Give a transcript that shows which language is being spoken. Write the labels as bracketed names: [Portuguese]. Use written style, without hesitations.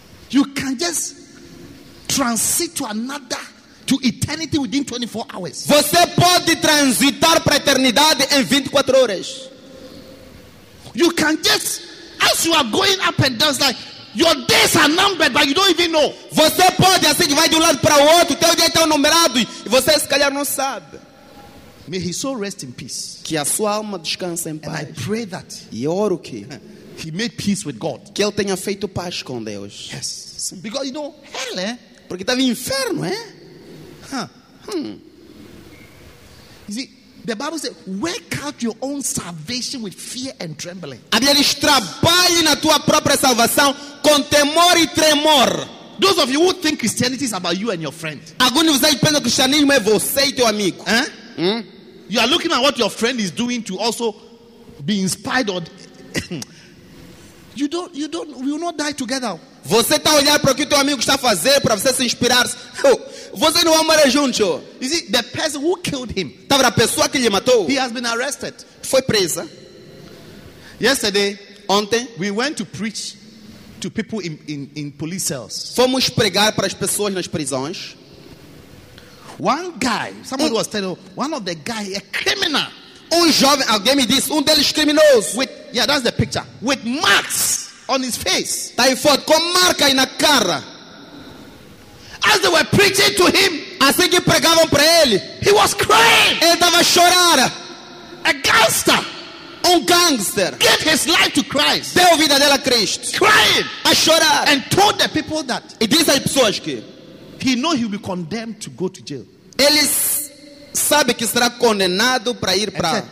[English] You can just transit to another, to eternity within 24 hours. [Portuguese] Você pode transitar para a eternidade em 24 horas. [English] You can just, as you are going up and down, like your days are numbered, but you don't even know. [Portuguese] Você pode, assim que vai de lado para o outro, teu dia está numerado e você se calhar não sabe. [English] May his soul rest in peace. [Portuguese] Que a sua alma descanse em paz. [English] And I pray that. [Portuguese] E oro que. [English] He made peace with God. [Portuguese] Que ele tenha feito paz com Deus. [English] Yes. [Portuguese] Sim. [English] Because you know, hell, eh? [Portuguese] Porque estava em inferno, eh? [English] You see, the Bible says, work out your own salvation with fear and trembling. [Portuguese] A Bíblia diz, trabalhe na tua própria salvação com temor e tremor. [English] Those of you who think Christianity is about you and your friend. [Portuguese] Alguns de vocês pensam que cristianismo é você e teu amigo. Eh? [English] You are looking at what your friend is doing to also be inspired or... You don't. We will not die together. [Portuguese] Você está olhando para o que teu amigo está fazendo para você se inspirar. Você não vai morrer junto. [English] You see, the person who killed him. [Portuguese] Estava a pessoa que lhe matou. [English] He has been arrested. [Portuguese] Foi presa. [English] Yesterday, [Portuguese] ontem, [English] we went to preach to people in police cells. [Portuguese] Fomos pregar para as pessoas nas prisões. [English] One guy, somebody was telling one of the guy, a criminal. [Portuguese] Jovem, alguém me disse, deles criminoso. [English] With, yeah, that's the picture. With marks on his face. [Portuguese] Tá em foto, com marca aí na cara. [English] As they were preaching to him, [Portuguese] assim que pregavam para ele, [English] he was crying. [Portuguese] Ele estava chorando. [English] A gangster. [Portuguese] Gangster. [English] Gave his life to Christ. [Portuguese] Deu vida dele a Cristo. [English] Crying. [Portuguese] A chorar. [English] And told the people that. [Portuguese] E disse às pessoas que. [English] He know he will be condemned to go to jail. [Portuguese] Ele sabe que será condenado para ir para.